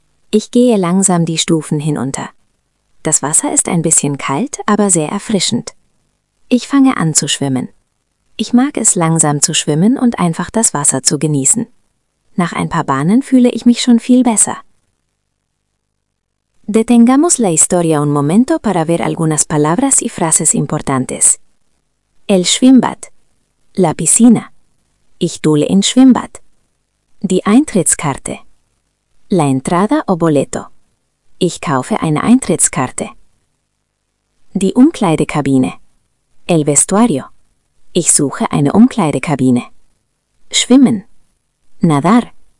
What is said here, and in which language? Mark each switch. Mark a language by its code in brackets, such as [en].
[de] Ich gehe langsam die Stufen hinunter. Das Wasser ist ein bisschen kalt, aber sehr erfrischend. Ich fange an zu schwimmen. Ich mag es, langsam zu schwimmen und einfach das Wasser zu genießen. Nach ein paar Bahnen fühle ich mich schon viel besser. [es] Detengamos la historia un momento para ver algunas palabras y frases importantes. El Schwimmbad. La piscina. [de] Ich duhle ins Schwimmbad. Die Eintrittskarte. [es] La entrada o boleto. [de] Ich kaufe eine Eintrittskarte. Die Umkleidekabine. [es] El vestuario. [de] Ich suche eine Umkleidekabine. Schwimmen. Nadar.